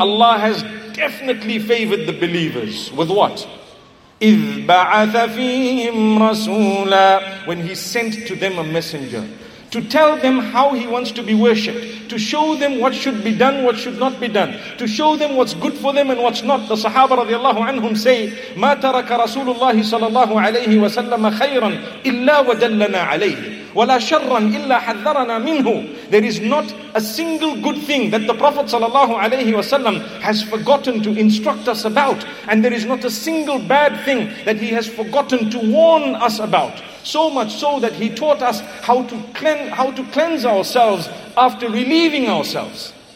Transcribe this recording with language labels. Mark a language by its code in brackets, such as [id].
[en] Allah has definitely favored the believers. With what? [ar] إِذْ بَعَثَ فِيهِمْ رَسُولًا. [en] When He sent to them a messenger to tell them how He wants to be worshipped, to show them what should be done, what should not be done, to show them what's good for them and what's not. The Sahaba radiallahu anhum say, [ar] مَا تَرَكَ رَسُولُ اللَّهِ صَلَى اللَّهُ عَلَيْهِ وَسَلَّمَ خَيْرًا إِلَّا وَدَلَّنَا عَلَيْهِ وَلَا شَرًّا إِلَّا حَذَّرَنَا مِنْهُ. [en] There is not a single good thing that the Prophet sallallahu alayhi wasallam has forgotten to instruct us about. And there is not a single bad thing that he has forgotten to warn us about. So much so that he taught us how to cleanse ourselves after relieving ourselves.